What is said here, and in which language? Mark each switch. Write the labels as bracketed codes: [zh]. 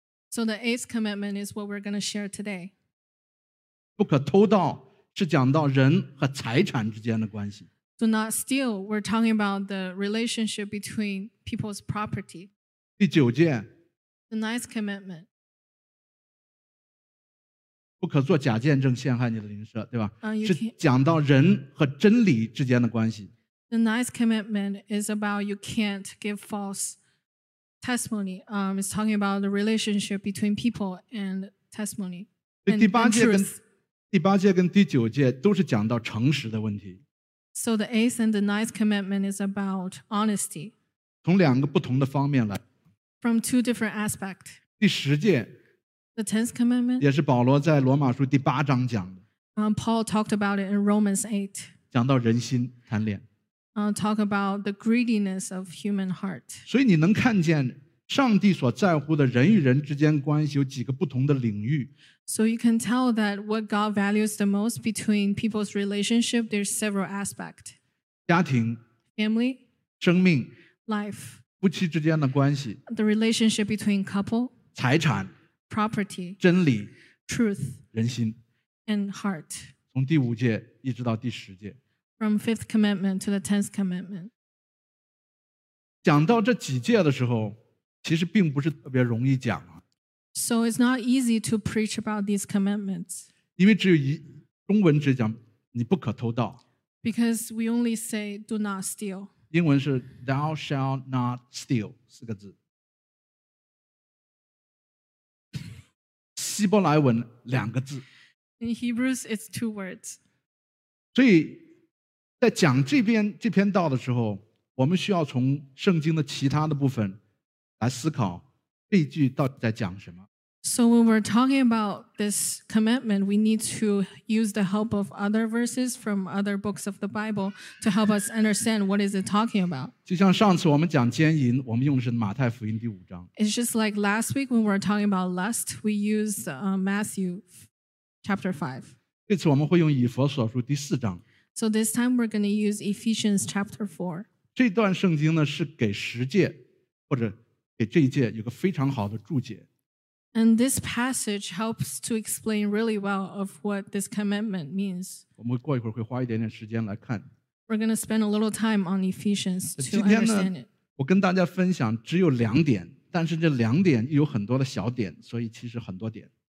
[en] So the eighth commandment is what we're going to share today. [zh] 不可偷盗是讲到人和财产之间的关系。 [en] Do not steal. We're talking about the relationship between people's property. [zh] 第九戒。 [en] The ninth commandment. [zh] 不可做假见证陷害你的邻舍，对吧？ Can, 是讲到人和真理之间的关系。 [en] The ninth commandment is about you can't give false testimony. It's talking about the relationship between people and testimony. And, [zh] 第八戒跟第九戒都是讲到诚实的问题。 [en] So the eighth and the ninth commandment is about honesty. [zh] 从两个不同的方面来。 [en] From two different aspects. [zh] 第十戒。 [en] The tenth commandment? [zh] 也是保罗在罗马书第八章讲的。 [en] Paul talked about it in Romans 8. [zh] 讲到人心贪恋。 [en] Talk about the greediness of human heart. [zh] 所以你能看见上帝所在乎的人与人之间关系有几个不同的领域。 [en] So you can tell that what God values the most between people's relationship, there's several aspects. [zh] 家庭。 [en] Family. [zh] 生命。 [en] Life. [zh] 夫妻之间的关系。 [en] The relationship between couple. [zh] 财产。 [en] Property, [zh] 真理 [en] truth, [zh] 人心 [en] and heart. [zh] 从第五戒一直到第十戒 [en] from fifth commandment to the tenth commandment. [zh] 讲到这几戒的时候，其实并不是特别容易讲啊。 [en] So it's not easy to preach about these commandments. [zh] 因为只有中文只讲你不可偷盗 [en] because we only say do not steal. [zh] 英文是 [en] thou shall not steal [zh] 四个字。希伯来文两个字 [en] In Hebrews, it's two words. [zh] 所以在讲这篇道的时候，我们需要从圣经的其他的部分来思考这句到底在讲什么。 [en] So when we're talking about this commandment, we need to use the help of other verses from other books of the Bible to help us understand what is it talking about. [zh] 就像上次我们讲奸淫，我们用的是马太福音第五章。 [en] It's just like last week when we were talking about lust, we used Matthew chapter 5. [zh] 这次我们会用以弗所书第四章。 [en] So this time we're going to use Ephesians chapter 4. [zh] 这段圣经呢是给十诫或者给这一诫有个非常好的注解。 [en] And this passage helps to explain really well of what this commandment means. [zh] 我们过一会儿会花一点点时间来看。 [en] We're going to spend a little time on Ephesians to understand it. [zh] 今天呢，我跟大家分享只有两点，但是这两点又有很多的小点，所以其实很多点。